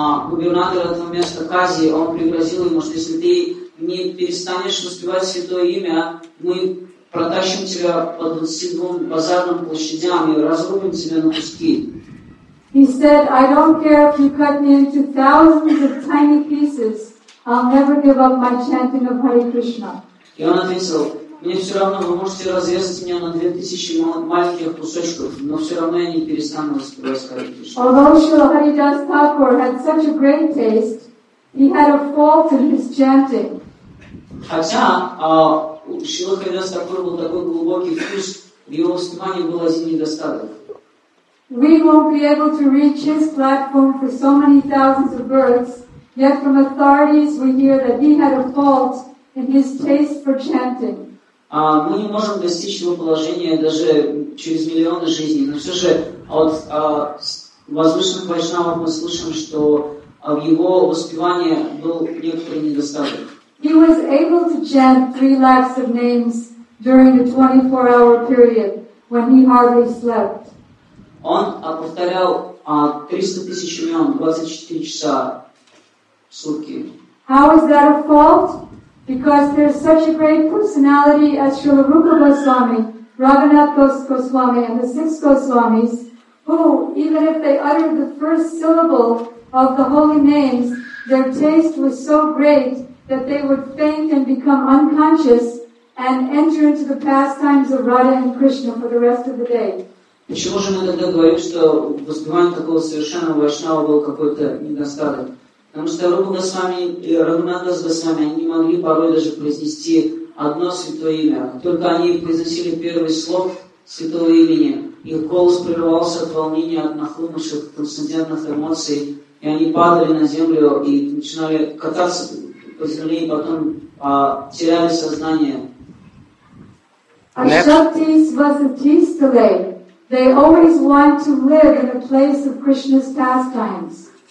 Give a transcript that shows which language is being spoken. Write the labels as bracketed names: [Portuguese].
[Russian] Губернатор этого места Кази, он пригрозил ему, что если ты не перестанешь воспевать святое имя, мы протащим тебя по 22 базарным площадям и разрубим тебя на куски. [English] He said, I don't care if you cut me into thousands of tiny pieces, I'll never give up my chanting of Hare Krishna. [Russian] И он ответил, мне все равно, вы можете разрезать меня на 2000 маленьких кусочков, но все равно я не перестану воспевать Hare Krishna. [English] Although Srila Haridas Thakur had such a great taste, he had a fault in his chanting. [Russian] Хотя Srila Haridas Thakur был такой глубокий вкус, в его воспевании был один недостаток. [English] We won't be able to reach his platform for so many thousands of births, yet from authorities we hear that he had a fault in his taste for chanting. [Russian] Мы не можем достичь его положения даже через миллионы жизней, но все же от возвышенных вайшнавов мы слышим, что в его воспевании был некоторый недостаток. [English] He was able to chant 3 lakhs of names during the 24-hour period when he hardly slept. [Russian] Он повторял 300 тысяч имен 24 часа в сутки. [English] How is that a fault? Because there's such a great personality as Srila Rupa Goswami, Raghunath Goswami, and the 6 Goswamis, who, even if they uttered the first syllable of the holy names, their taste was so great that they would faint and become unconscious and enter into the pastimes of Radha and Krishna for the rest of the day. [Russian] Почему же мы тогда говорим, что воспевание такого совершенного вайшнава было какой-то недостаток? Потому что Рупа Госвами и Рагхунатха Госвами не могли порой даже произнести одно святое имя. Только они произносили первый слог святого имени, их голос прерывался от волнения, от нахлынувших трансцендентных эмоций, и они падали на землю и начинали кататься по земле, и потом теряли сознание. [Sanskrit] Ашактис Васатистале, [English] They always want to live in a place of Krishna's pastimes.